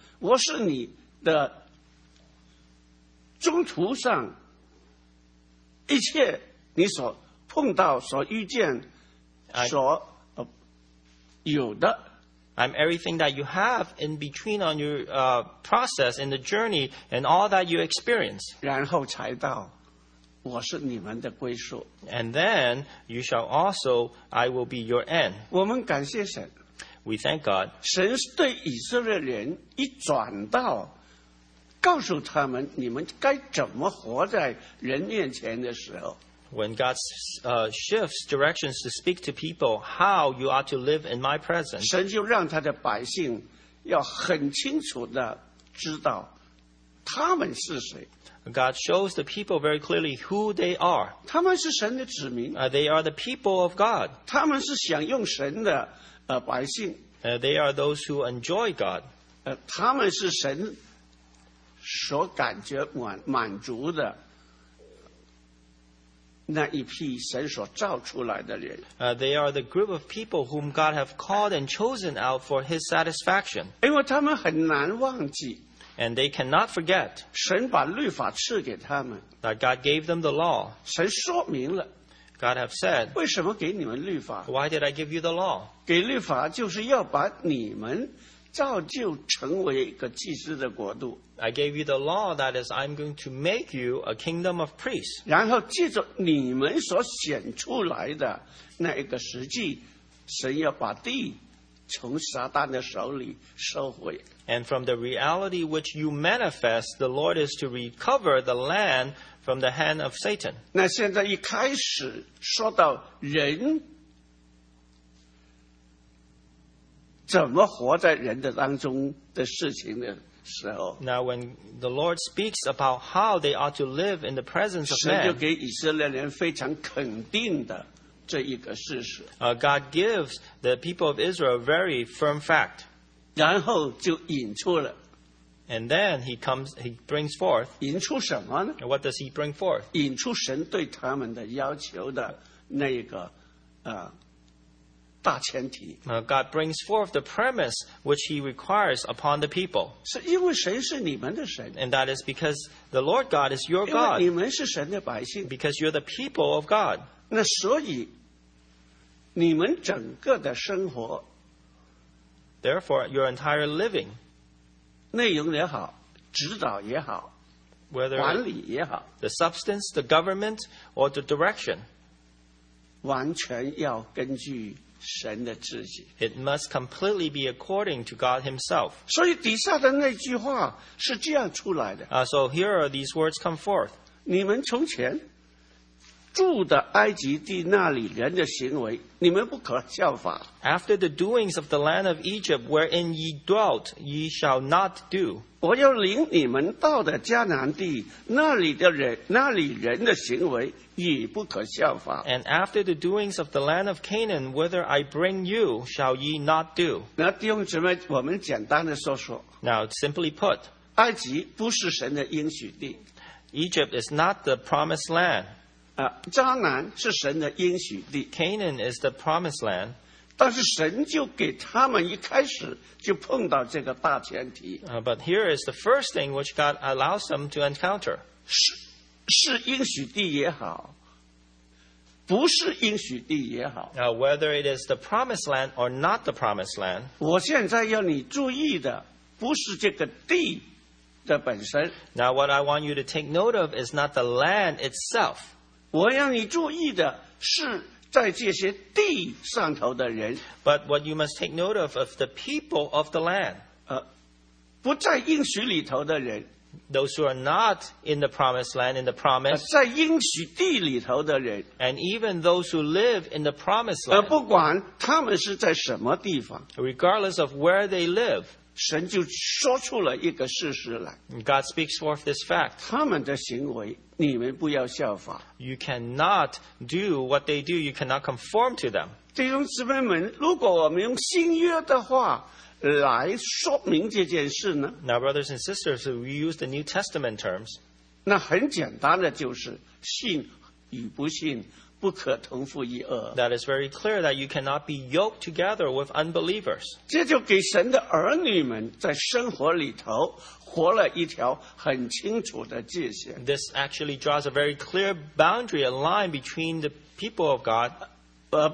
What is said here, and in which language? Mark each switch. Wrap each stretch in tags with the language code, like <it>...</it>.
<zh>我是你的中途上一切你所碰到所遇见所有的</zh> <en>I'm everything that you have in between on your process in the journey and all that you experience.</en> <zh>然后才到我是你们的归宿。</zh> <en>And then you shall also, I will be your end.</en> <zh>我们感谢神。</zh> <en>We thank God.</en> <zh>神对以色列人一转到告诉他们你们该怎么活在人面前的时候。</zh> <en>When God shifts directions to speak to people how you are to live in my presence,</en> <zh>神就让他的百姓要很清楚地知道他们是谁。</zh> <en>God shows the people very clearly who they are.</en> <zh>他们是神的子民。</zh> <en>They are the people of God.</en> <zh>他们是享用神的百姓。</zh> <en>They are those who enjoy God.</en> <zh>他们是神所感觉满足的那一批神所造出来的人。</zh> <en>They are the group of people whom God have called and chosen out for His satisfaction.</en> <zh>因为他们很难忘记。</zh> <en>And they cannot forget</en> <zh>神把律法赐给他们</zh> <en>that God gave them the law.</en> <zh>神说明了</zh> <en>God have said,</en> <zh>为什么给你们律法?</zh> <en>Why did I give you the law?</en> <zh>给律法就是要把你们造就成为一个祭司的国度。</zh> <en>I gave you the law, that is, I'm going to make you a kingdom of priests.</en> <zh>然后记住你们所显出来的那一个实际神要把地从撒旦的手里收回。</zh> <en>And from the reality which you manifest, the Lord is to recover the land from the hand of Satan.</en> <zh>那现在一开始说到人怎么活在人的当中的事情的时候。</zh> <en>Now when the Lord speaks about how they ought to live in the presence of man,</en> <zh>神就给以色列人非常肯定的这一个事实。</zh> <en>God gives the people of Israel a very firm fact.</en> <zh>然后就引出了</zh> <en>And then he brings forth</en> <zh>引出什么呢</zh> <en>What does he bring forth?</en> <zh>引出神对他们的要求的那个大前提</zh> <en>God brings forth the premise which he requires upon the people</en> <zh>是因为神是你们的神</zh> <en>And that is because the Lord God is your God</en> <zh>因为你们是神的百姓</zh> <en>Because you're the people of God</en> <zh>那所以你们整个的生活</zh> <en>Therefore, your entire living,</en> <zh>内容也好，指导也好，管理也好</zh> <en>，the substance, the government, or the direction,</en> <zh>完全要根据神的旨意。</zh> <en>It must completely be according to God Himself.</en> <zh>所以底下的那句话是这样出来的。</zh> <en>So here are these words come forth.</en> <zh>你们从前住的埃及地那里人的行为，你们不可效法。</zh> <en>After the doings of the land of Egypt wherein ye dwelt, ye shall not do.</en> <zh>我要领你们到的迦南地，那里人的行为也不可效法。</zh> <en>And after the doings of the land of Canaan, whither I bring you, shall ye not do.</en> <zh>那弟兄姊妹，我们简单的说说。</zh> <en>Now, simply put,</en> <zh>埃及不是神的应许地。</zh> <en>Egypt is not the promised land.</en> <zh>迦南是神的应许地</zh> <en>Canaan is the promised land</en> <zh>但是神就给他们一开始就碰到这个大前提</zh> <en>But here is the first thing which God allows them to encounter</en> <zh>是应许地也好不是应许地也好</zh> <en>Whether it is the promised land or not the promised land</en> <zh>我现在要你注意的不是这个地的本身</zh> <en>Now what I want you to take note of is not the land itself</en> <zh>我让你注意的是在这些地上头的人</zh> <en>But what you must take note of the people of the land</en> <zh>不在应许里头的人</zh> <en>Those who are not in the promised land in the promise</en> <zh>在应许地里头的人</zh> <en>And even those who live in the promised land</en> <zh>不管他们是在什么地方</zh> <en>Regardless of where they live</en> <zh>神就说出了一个事实来</zh> <en>God speaks forth this fact</en> <zh>他们的行为你们不要效法。</zh> <en>You cannot do what they do. You cannot conform to them.</en> <zh>弟兄姊妹们，如果我们用新约的话来说明这件事呢</zh> <en>？Now, brothers and sisters, we use the New Testament terms.</en> <zh>那很简单的就是信与不信不可同负一轭。</zh> <en>That is very clear that you cannot be yoked together with unbelievers.</en> <zh>这就给神的儿女们在生活里头。活了一条很清楚的界限。</zh> <en>This actually draws a very clear boundary, a line between the people of God.</en>